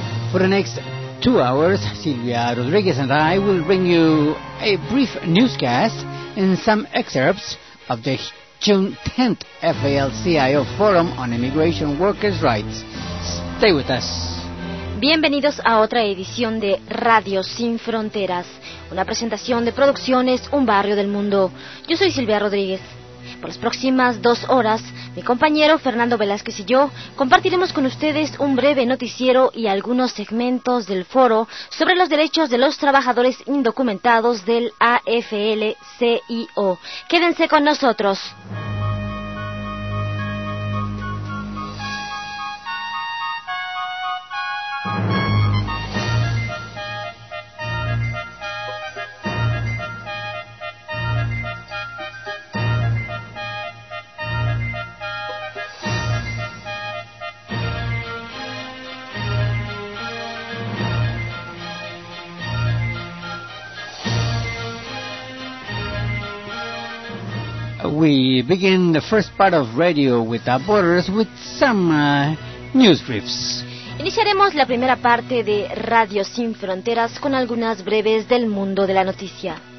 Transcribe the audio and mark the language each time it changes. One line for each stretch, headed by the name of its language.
English: For the next 2 hours, Silvia Rodriguez and I will bring you a brief newscast and some excerpts of the June 10th FALCIO Forum on Immigration Workers' Rights. Stay with us.
Spanish: Bienvenidos a otra edición de Radio Sin Fronteras, una presentación de producciones Un Barrio del Mundo. Yo soy Silvia Rodríguez. Por las próximas 2 horas, mi compañero Fernando Velázquez y yo compartiremos con ustedes un breve noticiero y algunos segmentos del foro sobre los derechos de los trabajadores indocumentados del AFL-CIO. Quédense con nosotros.
English: We begin the first part of Radio Without Borders with some news briefs.
Spanish: Iniciaremos la primera parte de Radio Sin Fronteras con algunas breves del mundo de la noticia.